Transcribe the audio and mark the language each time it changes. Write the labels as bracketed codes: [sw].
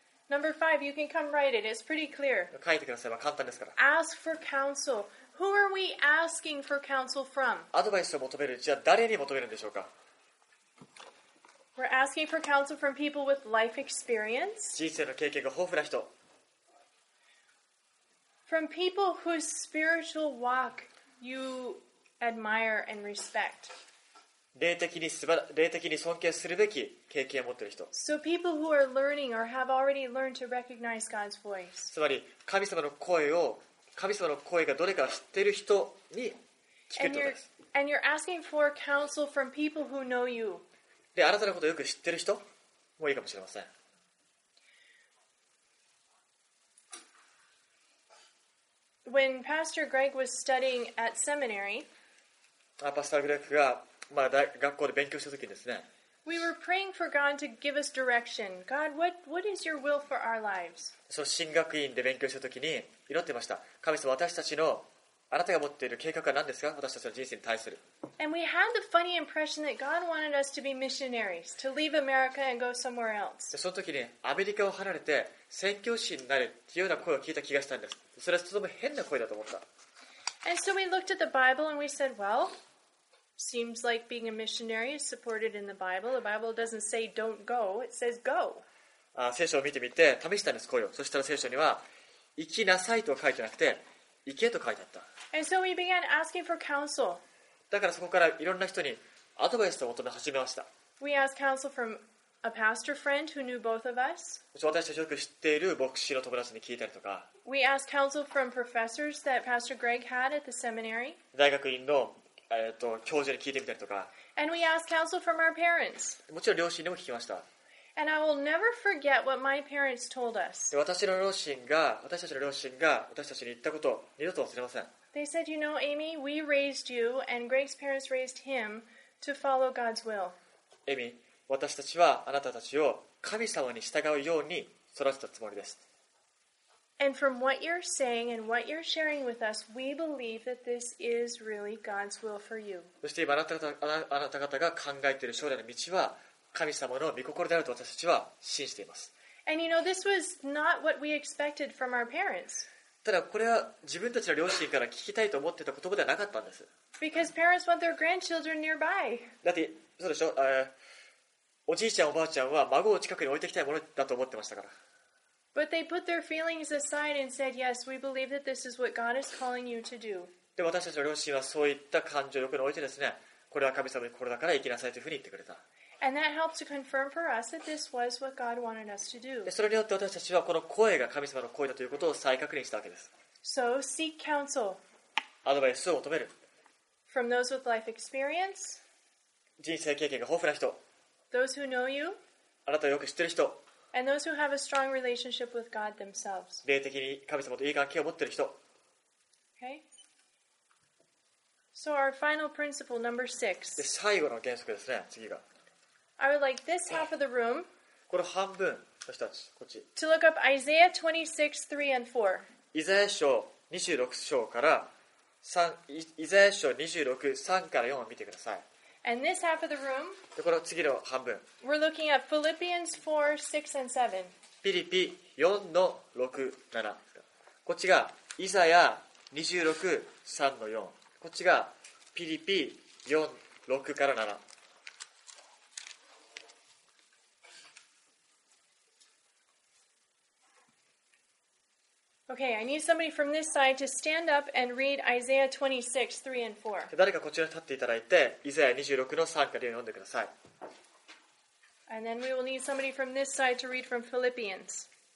[en] Number five, you can come write it. It's pretty clear. [ja] 書いてください。簡単ですから。 [en] Ask for counsel. Who are we asking for counsel from? [ja] Advice を求める。じゃあ誰に求めるんでしょうか? [en] We're asking for counsel from people with life experience. [ja] 人生の経験が豊富な人。 [en] From people whose spiritual walk you admire and respect. [ja] 霊的に尊敬するべき経験を持っている人。 [en] So people who are learning or have already learned to recognize God's voice. [ja] つまり神様の声を、神様の声がどれか知っている人に聞くことです。 [en] And you're asking for counsel from people who know you. [ja] で、あなたのことをよく知っている人もいいかもしれません。 [en] When Pastor Greg was studying at seminary, [ja] Pastor Greg がまあ、学校で勉強したときですね。 [en] We were praying for God to give us direction. God, what is your will for our lives? [ja] そう、神学院で勉強したときに祈ってました。神様、私たちの、あなたが持っている計画は何ですか? 私たちの人生に対する。 [en] And we had the funny impression that God wanted us to be missionaries, to leave America and go somewhere else. [ja] そのときに、アメリカを離れて、宣教師になるっていうような声を聞いた気がしたんです。それはとても変な声だと思った。 [en] And so we looked at the Bible and we said, well,Seems like being a missionary is supported in the Bible. The Bible doesn't say don't go, it says go. [ja] 聖書を見てみて試したんです、声を。そしたら聖書には行きなさいと書いてなくて行けと書いてあった。 [en] And so we began asking for counsel. [ja] だからそこからいろんな人にアドバイスを求め始めました。 [en] We asked counsel from a pastor friend who knew both of us. [ja] 私たちよく知っている牧師の友達に聞いたりとか。 [en] We asked counsel from professors that Pastor Greg had at the seminary. [ja] 大学院の教授に聞いてみたりとか。 [en] And we asked counsel from our parents. [ja] もちろん両親にも聞きました。 [en] And I will never forget what my parents told us. [ja] 私たちの両親が私たちに言ったことを二度と忘れません。 [en] They said, you know, Amy, we raised you and Greg's parents raised him to follow God's will. [ja] Amy, 私たちはあなたたちを神様に従うように育てたつもりです。 [en] And from what you're saying and what you're sharing with us, we believe that this is really God's will for you. [ja] そして今あなた方が考えている将来の道は神様の御心であると私たちは信じています。 [en] And you know, this was not what we expected from our parents. [ja] ただこれは自分たちの両親から聞きたいと思ってた言葉ではなかったんです。 [en] Because parents want their grandchildren nearby. [ja] だってそうでしょ、おじいちゃんおばあちゃんは孫を近くに置いてきたいものだと思ってましたから。 [en] But they put their feelings aside and said, "Yes, we believe that this is what God is calling you to do." [ja] で、私たちの両親はそういった感情をよく置いてですね、これは神様の心だから行きなさいというふうに言ってくれた。 [en] And that helped to confirm for us that this was what God wanted us to do. [ja] で、それによって私たちはこの声が神様の声だということを再確認したわけです。 [en] So seek counsel. [ja] アドバイスを求める。 [en] From those with life experience. [ja] 人生経験が豊富な人。 [en] Those who know you. [ja] あなたをよく知ってる人。 [en] And those who have a strong relationship with God themselves. [ja] 霊的に神様といい関係を持っている人。 [en] Okay. So our final principle, number six. [ja] で、最後の原則ですね。次が。 [en] I would like this half of the room. [ja] この半分の人たち、こっち。 [en] To look up Isaiah 26, 3 and 4. [ja] イザヤ書26章から3、イザヤ書26、3から4を見てください。 [en] And this half of the room, [ja] この次の半分。 [en] We're looking at Philippians 4, 6 and 7. [ja] フィリピ 4-6-7。こっちがイザヤ 26-3-4。こっちがフィリピ 4-6-7。 [en] Okay, I need somebody from this side to stand up and read Isaiah 26, 3 and 4. [ja] 誰かこちらに立っていただいて、イザヤ26の3から4を読んでください。 [en] And then we will need somebody from this side to read from Philippians.